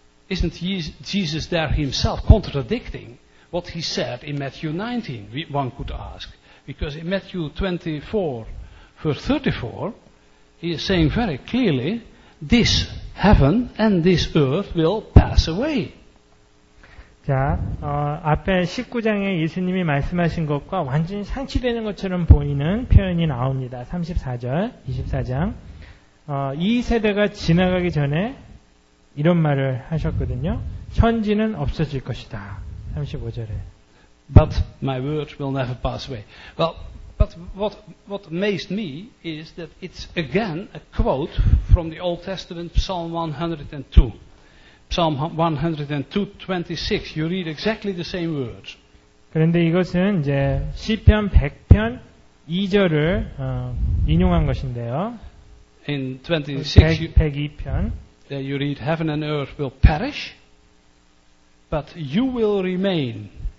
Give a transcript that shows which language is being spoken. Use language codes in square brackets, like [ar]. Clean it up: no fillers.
[en] Isn't Jesus there himself contradicting what he said in Matthew 19? One could ask. Because in Matthew 24 verse 34 he is saying very clearly this heaven and this earth will pass away. [ko] 자, 앞에 19장에 예수님이 말씀하신 것과 완전히 상치되는 것처럼 보이는 표현이 나옵니다. 34절, 24장. 이 세대가 지나가기 전에 이런 말을 하셨거든요. 천지는 없어질 것이다. 35절에. [en] But my word will never pass away. Well, but what amazed me is that it's again a quote from the Old Testament Psalm 102. Psalm 102:26. You read exactly the same words. [ko] 그런데 이것은 이제 시편 100편 2절을 인용한 것인데요. [en] In 26, [ko] 102편. [en] There you read, "Heaven and earth will perish, but you will remain."